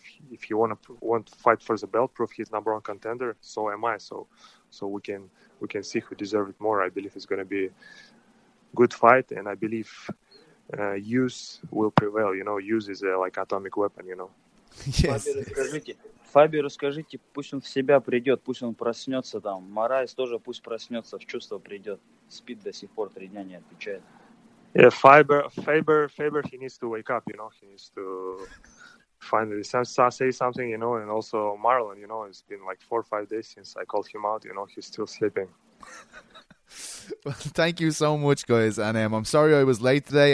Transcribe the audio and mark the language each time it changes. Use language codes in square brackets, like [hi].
[en] If he want to fight for the belt, prove he's number one contender, so am I. So we can see who deserves it more. I believe it's going to be good fight, and I believe use will prevail. You know, use is like atomic weapon, you know. Yes. [ru] Фаберу скажите, пусть он в себя придет, пусть он проснется там. Морайс тоже пусть проснется, в чувство придет. Спит до сих пор, 3 дня не отвечает. [en] Yeah, Faber, he needs to wake up, you know. He needs to finally say something, you know. And also Marlon, you know, it's been like 4 or 5 days since I called him out, you know. He's still sleeping. Well, thank you so much, guys. And I'm sorry I was late today.